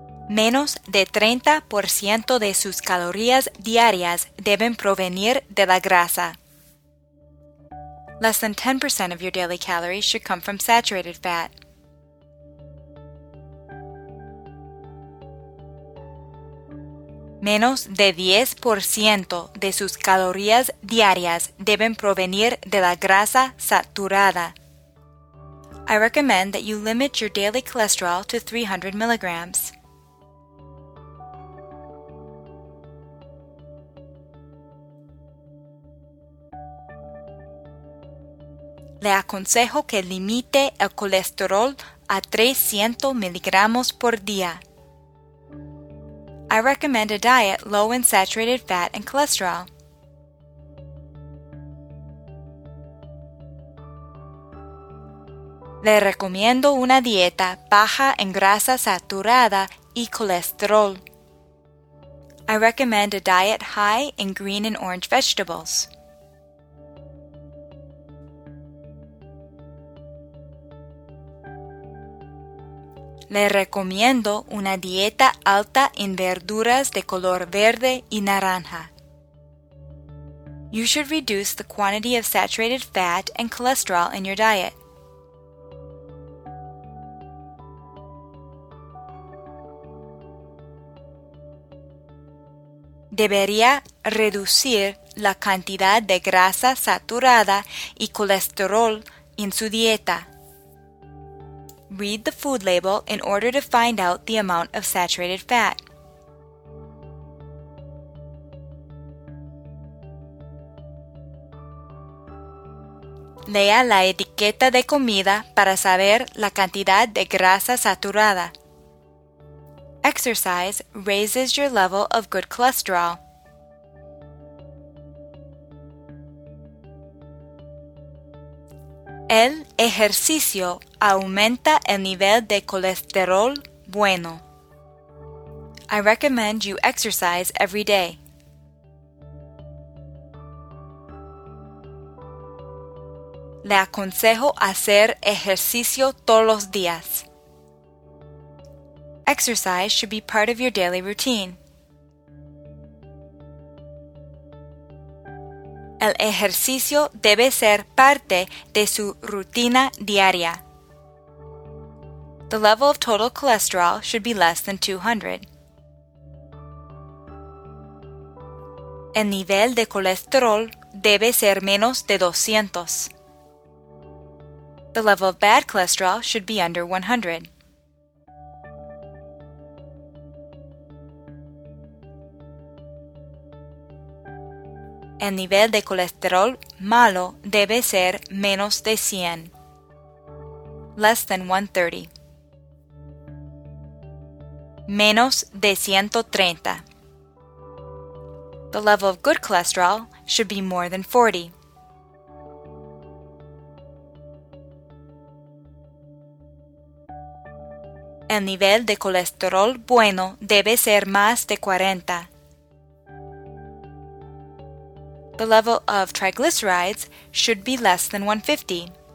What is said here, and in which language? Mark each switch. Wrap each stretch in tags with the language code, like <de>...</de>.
<es>Menos de 30% de sus calorías diarias deben provenir de la grasa.</es> <en>Less than 10% of your daily calories should come from saturated fat.</en> <es>Menos de 10% de sus calorías diarias deben provenir de la grasa saturada.</es> <en>I recommend that you limit your daily cholesterol to 300 milligrams.</en> <es>Le aconsejo que limite el colesterol a 300 miligramos por día.</es> <en>I recommend a diet low in saturated fat and cholesterol.</en> <es>Le recomiendo una dieta baja en grasa saturada y colesterol.</es> <en>I recommend a diet high in green and orange vegetables.</en> <es>Le recomiendo una dieta alta en verduras de color verde y naranja.</es> <en>You should reduce the quantity of saturated fat and cholesterol in your diet.</en> <es>Debería reducir la cantidad de grasa saturada y colesterol en su dieta.</es> <en>Read the food label in order to find out the amount of saturated fat.</en> <es>Lea la etiqueta de comida para saber la cantidad de grasa saturada.</es> <en>Exercise raises your level of good cholesterol.</en> <es>El ejercicio aumenta el nivel de colesterol bueno.</es> <en>I recommend you exercise every day.</en> <es>Le aconsejo hacer ejercicio todos los días.</es> <en>Exercise should be part of your daily routine.</en> <es>El ejercicio debe ser parte de su rutina diaria.</es> <en>The level of total cholesterol should be less than 200.</en> <es>El nivel de colesterol debe ser menos de 200.</es> <en>The level of bad cholesterol should be under 100.</en> <es>El nivel de colesterol malo debe ser menos de 100.</es> <en>Less than 130.</en> <es>Menos de 130.</es> <en>The level of good cholesterol should be more than 40.</en> <es>El nivel de colesterol bueno debe ser más de 40.</es> <en>The level of triglycerides should be less than 150.</en>